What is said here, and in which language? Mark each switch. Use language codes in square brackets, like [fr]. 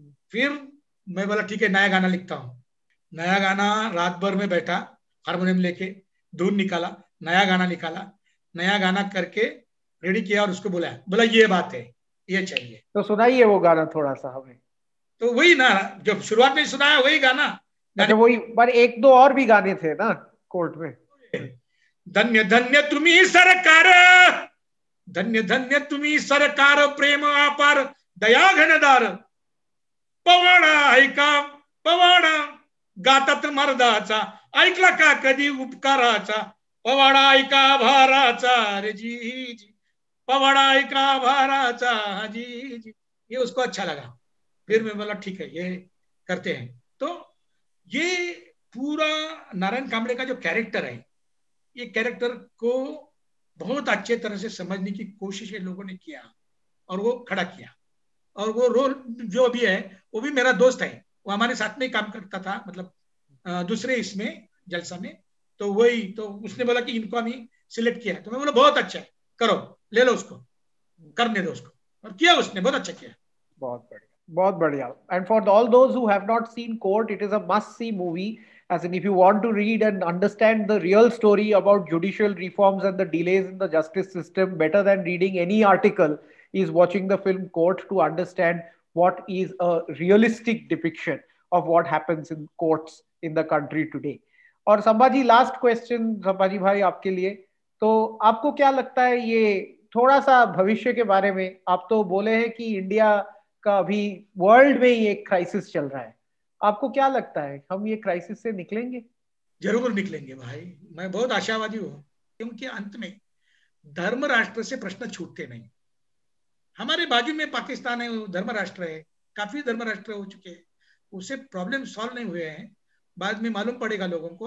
[hi] फिर मैं बोला ठीक है नया गाना लिखता हूँ। नया गाना रात भर में बैठा, हारमोनियम लेके धुन निकाला, नया गाना निकाला, नया गाना करके रेडी किया और उसको बोला, बोला ये बात है ये चाहिए। तो सुनाइए वो गाना थोड़ा सा हमें। तो वही ना जब शुरुआत में सुनाया वही गाना, वही पर एक दो और भी गाने थे ना कोर्ट में। [mr] धन्य धन्य तुम्ही सरकार, धन्य धन्य तुम्ही सरकार, प्रेम अपार दया घनदार, पवाडा ऐका पवाडा गातात मर्दाचा, ऐकला का कधी उपकाराचा, पवाडा ऐका भाराचा रे जी जी, पवाडा ऐका भाराचा जी जी। [hi] ये उसको अच्छा लगा, फिर मैं बोला ठीक है ये करते हैं। तो ये पूरा नारायण कांबळे का जो कैरेक्टर है, ये कैरेक्टर को बहुत अच्छे तरह से समझने की कोशिश लोगों ने किया और वो खड़ा किया। और वो रोल जो अभी है वो भी मेरा दोस्त है, वो हमारे साथ में काम करता था, मतलब दूसरे इसमें जलसा में, तो वही, तो उसने बोला कि इनको हमें सिलेक्ट किया, तो मैं बोला बहुत अच्छा है करो ले लो उसको, करने दो उसको, और किया उसने बहुत अच्छा किया। बहुत बढ़िया, बहुत बढ़िया। [en] And for all those who have not seen Court, it is a must see movie, as in if you want to read and understand the real story about judicial reforms and the delays in the justice system better than reading any article is watching the film Court to understand what is a realistic depiction of what happens in courts in the country today. [hi] Aur Sambhaji, last question Sambhaji bhai aapke liye, to aapko kya lagta hai ye thoda sa bhavishya ke bare mein, aap to bole hai ki India ka abhi world mein ek crisis chal raha hai, आपको क्या लगता है हम ये crisis से निकलेंगे? जरूर निकलेंगे भाई, मैं बहुत आशावादी हूँ, क्योंकि अंत में धर्म राष्ट्र से प्रश्न छूटते नहीं। हमारे बाजू में पाकिस्तान है, धर्म राष्ट्र है, काफी धर्म राष्ट्र हो चुके हैं, उसे प्रॉब्लम सॉल्व नहीं हुए हैं, बाद में मालूम पड़ेगा लोगों को।